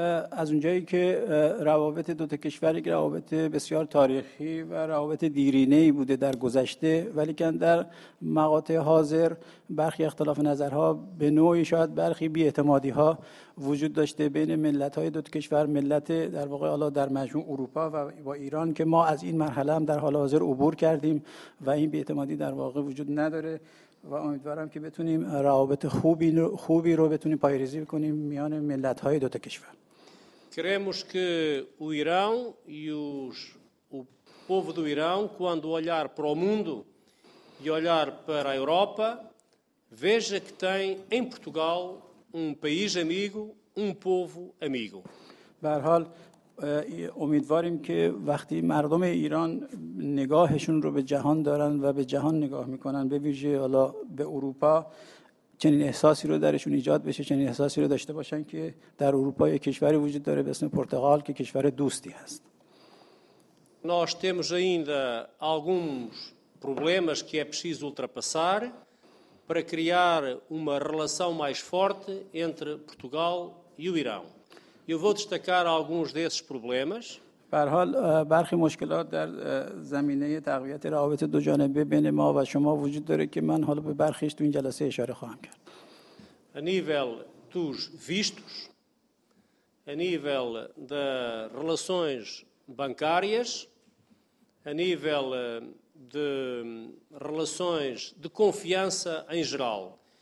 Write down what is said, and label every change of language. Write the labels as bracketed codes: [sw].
[fa] از اونجایی که روابط دو تا کشور یک روابط بسیار تاریخی و روابط دیرینه‌ای بوده در گذشته ولیکن در مقاطع حاضر برخی اختلاف نظرها به نوعی شاید برخی بی‌اعتمادی‌ها وجود داشته بین ملت‌های دو تا کشور ملت در واقع حالا در مجموع اروپا و با ایران که ما از این مرحله هم در حال حاضر عبور کردیم و این بی‌اعتمادی در واقع وجود نداره و امیدوارم که بتونیم روابط خوبی رو بتونیم پایه‌ریزی بکنیم میان ملت‌های دو تا کشور. [pt] Queremos que o Irão e o povo do Irão quando olhar para o mundo e olhar para a Europa veja que tem em Portugal país amigo, povo amigo. [fa] برحال امیدواریم که وقتی مردم ایران نگاهشون رو به جهان دارن و به جهان نگاه میکنن به ویژه حالا به اروپا چنین احساسی رو درشون ایجاد بشه چنین احساسی رو داشته باشن که در اروپا یک کشوری وجود داره به اسم پرتغال که کشور دوستی هست. [pt] Nós temos ainda alguns problemas que é preciso ultrapassar para criar uma relação mais forte entre Portugal e o Irão. Eu vou destacar alguns desses problemas. [fa] برحال برخی مشکلات در زمینه تقویت روابط دو جانبه بین ما و شما وجود داره که من حالا به برخیش تو این جلسه اشاره خواهم کرد. [pt] A nível dos vistos, a nível de relações bancárias, a nível de relações de confiança em geral.